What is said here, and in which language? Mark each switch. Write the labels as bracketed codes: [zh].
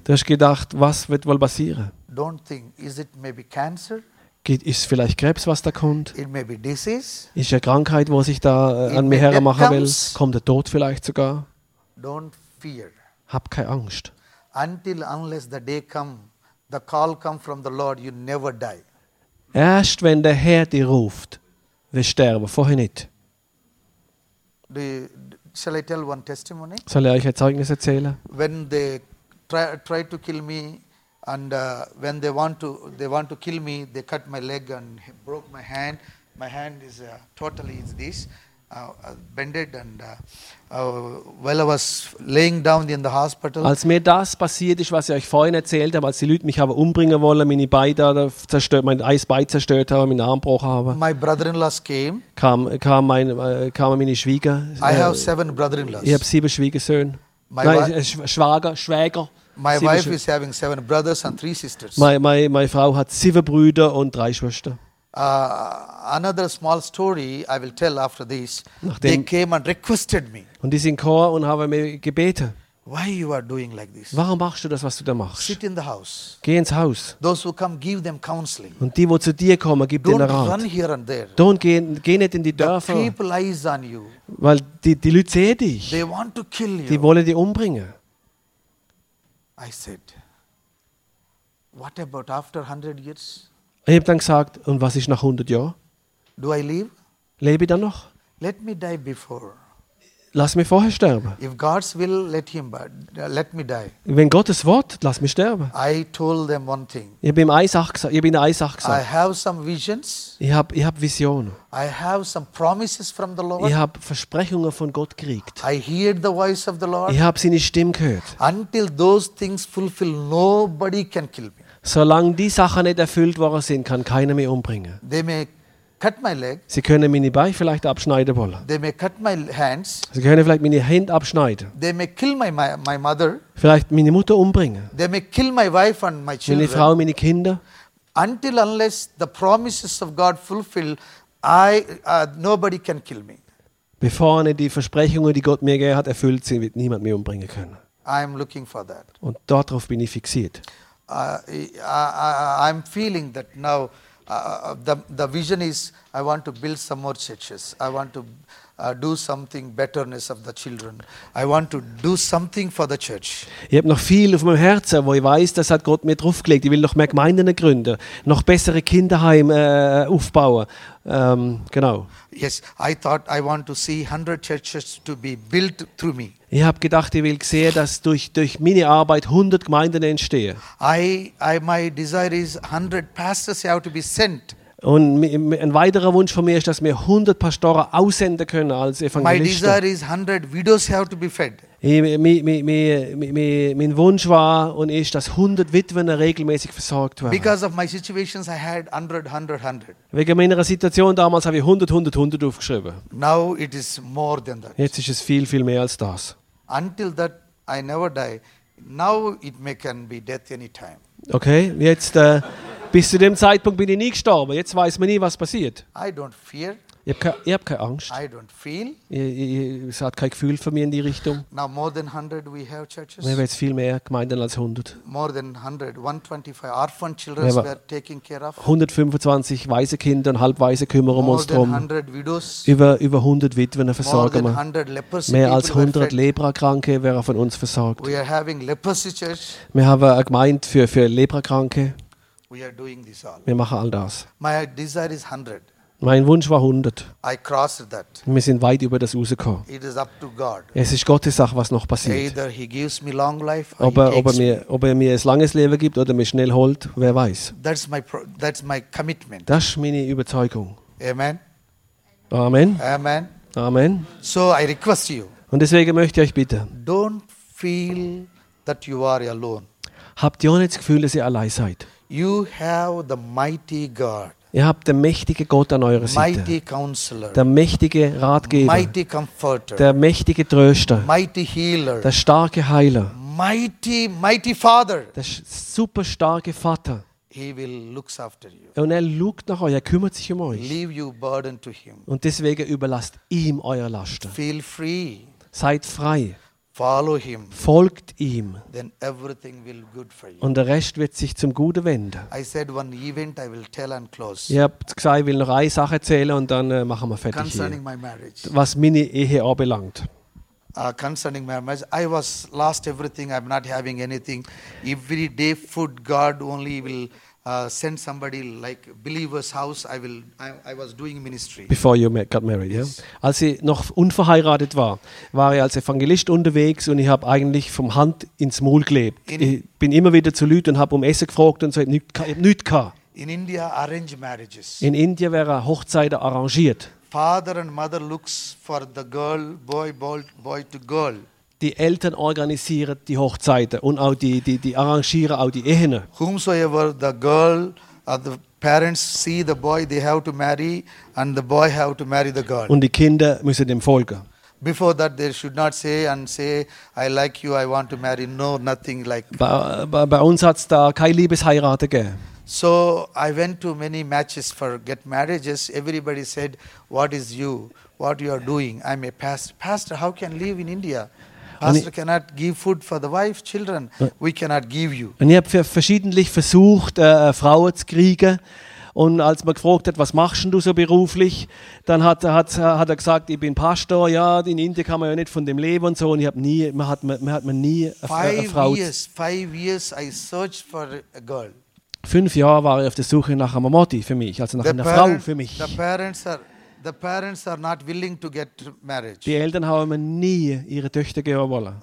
[de] Du hast gedacht, was wird wohl passieren? [en] Don't think, is it maybe cancer? [de] Ist es vielleicht Krebs, was da kommt? [en] It may be disease. [de] Ist eine Krankheit, wo sich da an mir hermachen will? Kommt der Tod vielleicht sogar? [en] Don't fear. [de] Hab keine Angst. [en] Until unless the day come. The call comes from the Lord, you never die. [de] Erst wenn der Herr dich ruft, wir sterben, vorher nicht. [en] Shall I tell one testimony? [de] Soll ich euch ein Zeugnis erzählen? [en] When they try to kill me and when they want to kill me, they cut my leg and broke my hand. My hand is totally is this, bended and while I was laying down in the hospital. [de] Als mir das passiert ist, was ich euch vorhin erzählt habe, als die Leute mich haben umbringen wollen, meine Beine zerstört, mein Eisbein zerstört haben, meinen Arm gebrochen haben. [en] My brother-in-law came. [de] Kam meine Schwieger. [en] I have 7 brother-in-laws. [de] Ich habe 7 Schwiegersöhne. Schwager. [en] My wife is having 7 brothers and 3 sisters. [de] Meine Frau hat 7 Brüder und 3 Schwestern. [en] Another small story I will tell after this. [de] Nachdem [en] they came and requested me. [de] Und die sind gekommen und haben mir gebeten. [en] Why you are doing like this? [de] Warum machst du das, was du da machst? [en] Sit in the house. [de] Geh ins Haus. [en] Those who come, give them counseling. [de] Und die, wo zu dir kommen, gib [en] Don't [de] denen Rat. [en] Run here and there. Don't [de] geh nicht in die Dörfer. [en] The people eyes on you. [de] Weil die Leute sehen dich. [en] They want to kill you. [de] Die wollen dich umbringen. [en] I said, what about after 100 years? [de] Ich habe dann gesagt, und was ist nach 100 Jahren? [en] Do I live? [de] Lebe ich dann noch? [en] Let me die before. [de] Lass mich vorher sterben. [en] If God's will, let me die. [de] Wenn Gottes Wort, lass mich sterben. [en] I told them one thing. [de] Ich habe ihnen eine Sache gesagt. [en] I have some visions. [de] Ich hab Visionen. [en] I have some promises from the Lord. [de] Ich habe Versprechungen von Gott gekriegt. [en] I hear the voice of the Lord. [de] Ich habe seine Stimme gehört. [en] Until those things fulfill, nobody can kill me. [de] Solange die Sachen nicht erfüllt worden sind, kann keiner mich umbringen. [en] They may cut my leg. [de] Sie können meine Beine vielleicht abschneiden wollen. [en] They may cut my hands. [de] Sie können vielleicht meine Hände abschneiden. [en] They may kill my mother. [de] Vielleicht meine Mutter umbringen. [en] They may kill my wife and my children. [de] Meine Frau, meine Kinder. [en] Until unless the promises of God fulfill, nobody can kill me. [de] Bevor nicht die Versprechungen, die Gott mir gegeben hat, erfüllt sind, wird niemand mich umbringen können. [en] I am looking for that. [de] Und darauf bin ich fixiert. [en] I'm feeling that now the vision is I want to build some more churches. I want to do something betterness of the children. I want to do something for the church. [de] Ich habe noch viel auf meinem Herzen, wo ich weiß, das hat Gott mir draufgelegt. Ich will noch mehr Gemeinden gründen, noch bessere Kinderheim aufbauen. Genau. [en] Yes, I thought I want to see 100 churches to be built through me. [de] Ich habe gedacht, ich will sehen, dass durch meine Arbeit 100 Gemeinden entstehen. [en] My desire is 100 pastors have to be sent. [de] Und ein weiterer Wunsch von mir ist, dass wir 100 Pastoren aussenden können als Evangelisten. [en] My desire is 100 widows have to be fed. [de] Mein Wunsch war und ist, dass 100 Witwen regelmäßig versorgt werden. [en] Because of my situations, I had 100, 100, 100. [de] Wegen meiner Situation damals habe ich 100, 100, 100 aufgeschrieben. [en] Now it is more than that. [de] Jetzt ist es viel, viel mehr als das. [en] Until that I never die. Now it may can be death any time. [de] Okay, jetzt bis zu dem Zeitpunkt bin ich nie gestorben. Jetzt weiß man nie, was passiert. [en] I don't fear. [de] Ich hab keine Angst. [en] I don't feel. [de] Es hat kein Gefühl für mich in die Richtung. [en] Now more than 100 we have churches. [de] Wir haben jetzt viel mehr Gemeinden als 100. [en] More than 100, 125 orphan children we are taking care of. [de] 125 weise Kinder und halbweise kümmern wir uns drum. Über 100 Witwen versorgen wir. Mehr als 100 Leprakranke werden von uns versorgt. [en] We are having leprosy church. [de] Wir haben eine Gemeinde für Leprakranke. [en] We are doing this all. [de] Wir machen all das. [en] My desire is 100. [de] Mein Wunsch war 100. [en] I crossed that. [de] Wir sind weit über das rausgekommen. [en] It is up to God. [de] Es ist Gottes Sache, was noch passiert. [en] Either he gives me long life or [de] ob er mir ein langes Leben gibt oder mich schnell holt, wer weiß. [en] That's my commitment. [de] Das ist meine Überzeugung. Amen. Amen. Amen. Amen. [en] So I request you. [de] Und deswegen möchte ich euch bitten. [en] Don't feel that you are alone. [de] Habt ihr auch nicht das Gefühl, dass ihr allein seid? [en] You have the mighty God. [de] Ihr habt den mächtigen Gott an eurer Seite. [en] Mighty Counselor. [de] Der mächtige Ratgeber. [en] Mighty Comforter. [de] Der mächtige Tröster. [en] Mighty Healer. [de] Der starke Heiler. [en] Mighty Father. [de] Der super starke Vater. [en] He will look after you. [de] Und er lugt nach euch, er kümmert sich um euch. [en] Leave you burden to him. [de] Und deswegen überlasst ihm eure Lasten. [en] Feel free. [de] Seid frei. [en] Follow him. [de] Folgt ihm. [en] Then everything will good for you. [de] Und der Rest wird sich zum Guten wenden. [en] I said one event I will tell and close. [de] Ich habe gesagt, ich will noch eine Sache erzählen und dann machen wir fertig. [en] Concerning [de] hier, [en] my marriage. [de] Was meine Ehe anbelangt. [en] Concerning my marriage, I was lost everything. I'm not having anything. Every day food, God only will send somebody like believer's house. I was doing ministry. Before you got married, yes. Yeah? [de] Als ich noch unverheiratet war, war ich als Evangelist unterwegs und ich habe eigentlich vom Hand ins Maul gelebt. Ich bin immer wieder zu Leuten und habe um Essen gefragt und so, nichts gehabt. [en] In India, arrange marriages. [de] In India wäre Hochzeiten arrangiert. [en] Father and mother looks for the girl, boy to girl. [de] Die Eltern organisieren die Hochzeiten und auch die arrangieren auch die Ehen. [en] Whomsoever the girl, the parents see the boy, they have to marry, and the boy have to marry the girl. [de] Und die Kinder müssen dem folgen. [en] Before that, they should not say, I like you, I want to marry. No, nothing like. [de] Bei uns hat's da keine Liebesheirate gegeben. [en] So I went to many matches for get marriages. Everybody said, "What is you? What you are doing? I'm a pastor. How can live in India? Pastor cannot give food for the wife, children. We cannot give you." [de] Und ich habe verschiedentlich versucht, Frauen zu kriegen. Und als man gefragt hat, was machst du so beruflich, dann hat er gesagt, ich bin Pastor. Ja, in Indien kann man ja nicht von dem leben und so. Und ich habe nie, man hat nie eine Frau. [en] Five years, I searched for a girl. [de] 5 Jahre war ich auf der Suche nach einer Mutti für mich, also nach einer Frau für mich. [en] The parents are not willing to get marriage. [de] Die Eltern haben mir nie ihre Töchter geben wollen.